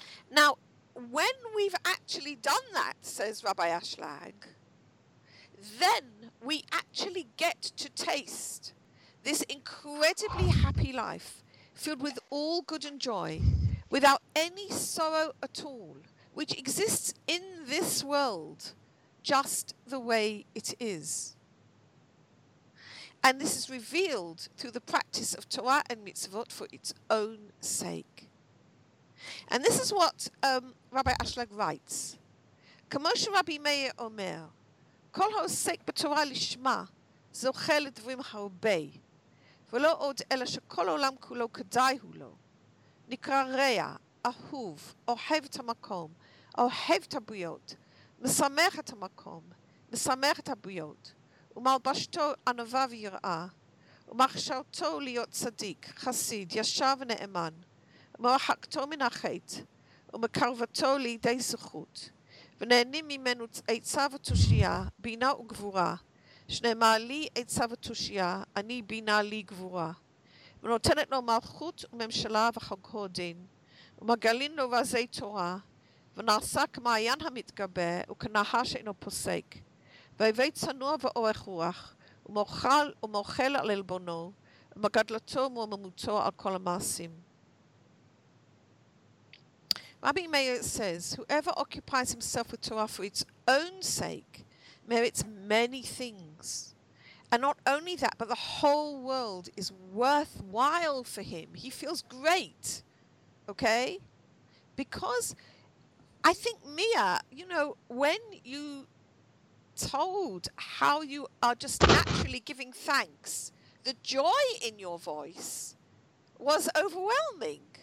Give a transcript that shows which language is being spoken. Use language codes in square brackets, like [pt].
[en] Now, when we've actually done that, says Rabbi Ashlag, then we actually get to taste this incredibly happy life filled with all good and joy, without any sorrow at all, which exists in this world just the way it is. And this is revealed through the practice of Torah and mitzvot for its own sake. And this is what Rabbi Ashlag writes. [he] כמו שרבי מאיר אומר, כל העוסק בתורה לשמה זוכה לדברים הרבה, ולא עוד אלא שכל העולם כולו כדאי הוא לו. נקרא רע, אהוב, אוהב את המקום, אוהב את הבריות, משמח את המקום, משמח את הבריות, ומלבשתו ענווה ויראה, ומחשרתו להיות צדיק, חסיד, ישר ונאמן, ומרחקתו מן החטא, ומקרבתו לידי זכות, ונהנים ממנו עצה ותושייה, בינה וגבורה, שנאמר לי עצה ותושייה, אני בינה לי גבורה, ונותנת לו מלכות וממשלה וחוגו דין, ומגלין לו רזי תורה, ונעשה כמעיין המתגבר וכנהר שאינו פוסק, והווה צנוע ואורך רוח, ומוכל על עלבונו, ומגדלתו ומוממותו על כל המעשים. [en] Rabbi Meir says, whoever occupies himself with Torah for its own sake merits many things. And not only that, but the whole world is worthwhile for him. He feels great, okay? Because I think, Mia, you know, when you told how you are just naturally giving thanks, the joy in your voice was overwhelming.